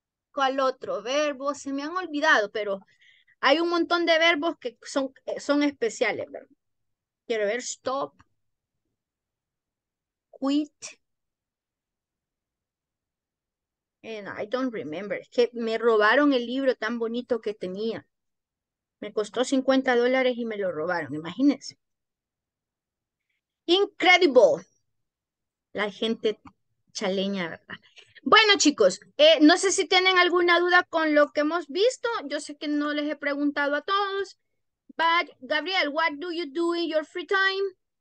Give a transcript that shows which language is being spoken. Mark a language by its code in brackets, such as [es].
[es] ¿Cuál otro verbo? Se me han olvidado, pero hay un montón de verbos que son especiales, ¿verdad? Quiero ver [en] stop, quit, and I don't remember. [es] Es que me robaron el libro tan bonito que tenía. Me costó $50 y me lo robaron, imagínense. Incredible. La gente chaleña, ¿verdad? Bueno, chicos, no sé si tienen alguna duda con lo que hemos visto. Yo sé que no les he preguntado a todos. [en] But, Gabriel, what do you do in your free time?